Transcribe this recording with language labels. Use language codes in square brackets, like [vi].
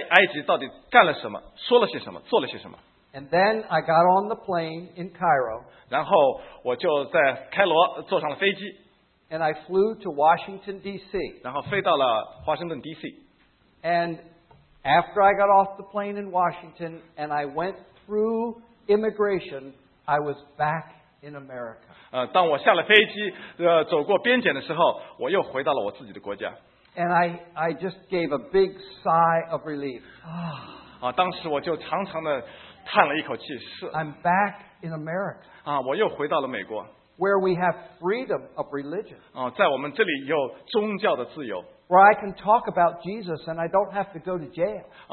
[zh] 当我来到了那个埃及的边境上，要把我的护照拿出来给边防检查的时候，别人也告诉我，当时那个时候要很小心告诉那些边检，你在埃及到底干了什么，说了些什么，做了些什么。 [en] And then I got on the plane in Cairo. [zh] 然后我就在开罗坐上了飞机。 [en] And I flew to Washington, D.C. [zh] 然后飞到了华盛顿 D.C. [en] And after I got off the plane in Washington and I went through immigration, I was back in America. [zh] 当我下了飞机，走过边检的时候，我又回到了我自己的国家。 [en] And I just gave a big sigh of relief. [zh] 当时我就长长的叹了一口气，是。 [en] I'm back in America. [zh] 我又回到了美国。 [en] Where we have freedom of religion. [zh] 在我们这里有宗教的自由。 [en] Where I can talk about Jesus and I don't have to go to jail.